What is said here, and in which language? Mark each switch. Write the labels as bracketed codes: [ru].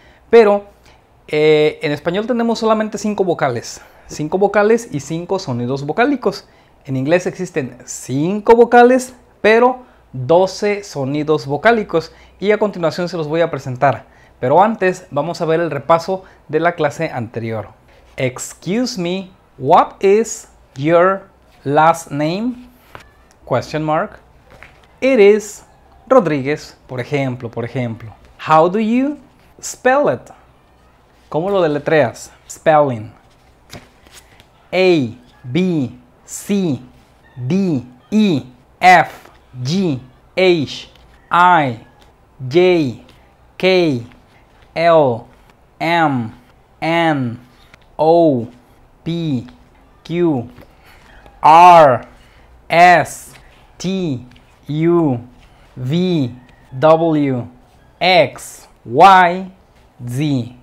[es] Pero en español tenemos solamente 5 vocales. 5 vocales y 5 sonidos vocálicos. En inglés existen 5 vocales, pero 12 sonidos vocálicos. Y a continuación se los voy a presentar. Pero antes vamos a ver el repaso de la clase anterior. [en] Excuse me, what is your last name? Question mark. It is Rodríguez, [es] por ejemplo. [en] How do you spell it? [es] ¿Cómo lo deletreas? [en] Spelling. A, B, C, D, E, F, G, H, I, J, K, L, M, N, O, P, Q, R, S, T, U, V, W, X, Y, Z.